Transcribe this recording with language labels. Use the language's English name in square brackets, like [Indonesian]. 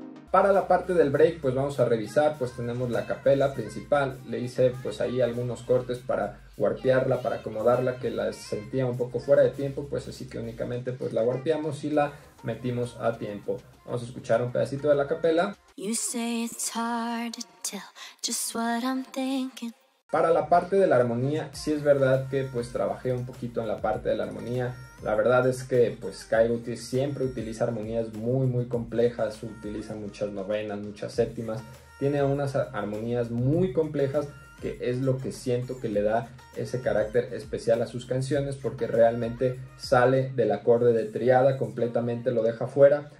[Spanish] Para la parte del break pues vamos a revisar, pues tenemos la capela principal, le hice pues ahí algunos cortes para warpearla, para acomodarla, que la sentía un poco fuera de tiempo, pues así que únicamente pues la warpeamos y la metimos a tiempo. Vamos a escuchar un pedacito de la capela. [English] You say it's hard to tell just what I'm thinking. [Spanish] Para la parte de la armonía, sí es verdad que pues trabajé un poquito en la parte de la armonía. La verdad es que pues Kygo siempre utiliza armonías muy muy complejas, utiliza muchas novenas, muchas séptimas. Tiene unas armonías muy complejas que es lo que siento que le da ese carácter especial a sus canciones, porque realmente sale del acorde de triada, completamente lo deja fuera.